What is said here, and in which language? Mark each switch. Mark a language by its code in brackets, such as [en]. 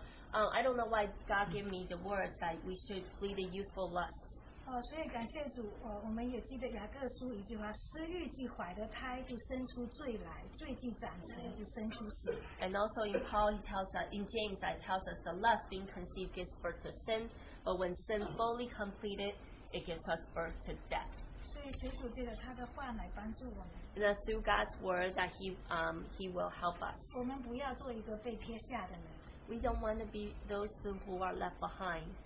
[en] I don't know why God gave me the word that we should flee the youthful lust. [zh] 所以感谢主，我们也记得雅各书一句话：私欲既怀的胎，就生出罪来；罪既长成，就生出死。 [en] And also in Paul, he tells us, in James, that tells us the lust being conceived gives birth to sin, but when sin fully completed, it gives us birth to death. [zh] 所以求主借着他的话来帮助我们。 [en] And that's through God's word that he will help us. [zh] 我们不要做一个被撇下的人。 [en] We don't want to be those who are left behind.